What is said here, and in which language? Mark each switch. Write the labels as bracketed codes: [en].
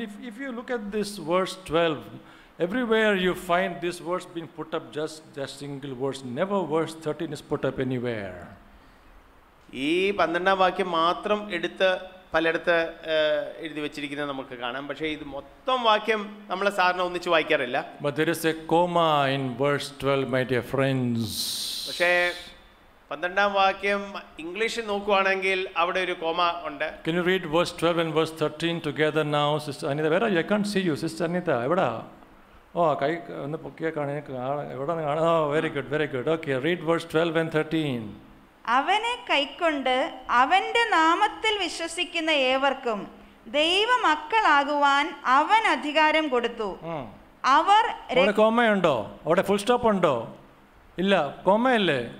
[en] If you look at this verse 12, everywhere you find this verse being put up, just single verse, never verse 13 is put up anywhere. [ml] ഈ പന്ത്രണ്ടാം വാക്യം മാത്രം എടുത്ത് പലയിടത്ത് എഴുതി വെച്ചിരിക്കുന്നത് നമുക്ക് കാണാം. പക്ഷേ ഇത് മൊത്തം വാക്യം നമ്മൾ സാധാരണ ഒന്നിച്ച് വായിക്കാറില്ല. [en] But there is a comma in verse 12, my dear friends. [ml] പക്ഷേ പന്ത്രണ്ടാം വാക്യം ഇംഗ്ലീഷിൽ നോക്കുകയാണെങ്കിൽ അവിടെ ഒരു കോമ ഉണ്ട്. [en] Can you read verse 12 and verse 13 together now, Sister Anita? Where are you? I can't see you, Sister Anita. [ml] എവിടെ? ഓ, കൈ ഒന്ന് പൊക്കിയാ കാണാം. [en] Very good, very good. Okay, read verse 12 and 13. [ml] അവനെ കൈക്കൊണ്ട് അവന്റെ നാമത്തിൽ വിശ്വസിക്കുന്ന ഏവർക്കും ദൈവ മക്കളാകുവാൻ അവൻ അധികാരം കൊടുത്തു. അവർ കോമയുണ്ടോ അവിടെ? ഫുൾ സ്റ്റോപ്പ് ഉണ്ടോ? ഇല്ല, കോമയല്ലേ?